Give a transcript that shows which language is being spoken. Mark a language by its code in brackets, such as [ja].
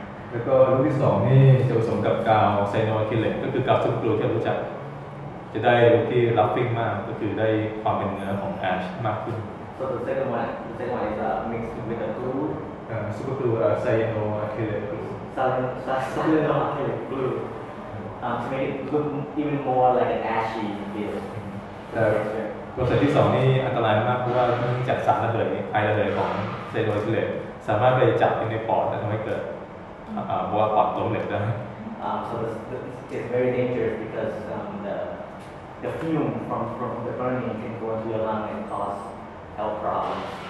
[th] แล้วก็รูปที่สองนี่จะผสมกับกาวไซโนคิเลตก็คือกาวซุปกลูที่รู้จักจะได้รูปที่ลัฟฟิ้งมากก็คือได้ความเป็นเนื้อของแอชมากขึ้น [en] so the second one is a mix with a glue super glue ไซโนคิเลต ไซโนคิเลต glue to make it look even more like an ashy feel [th] แต่รูปที่สองนี่อันตรายมากเพราะว่าเนื่องจากสารระเหยไอระเหยของไซโนคิเลตสามารถไปจับในปอดและทำให้เกิดว่าปอดล้มเหลวได้ [en] so it's very dangerous because the fume from the burning can go into your lung and cause health problems